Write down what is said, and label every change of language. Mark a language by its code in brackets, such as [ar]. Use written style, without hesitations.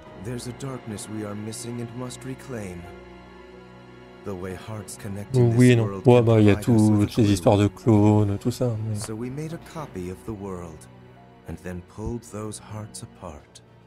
[en] There's a darkness we are missing and must reclaim. The way hearts connect to this world. [fr] Ouais, bah, y a toutes ces histoires de clones, tout ça. [en] So we made a copy of the world, and then pulled those hearts apart.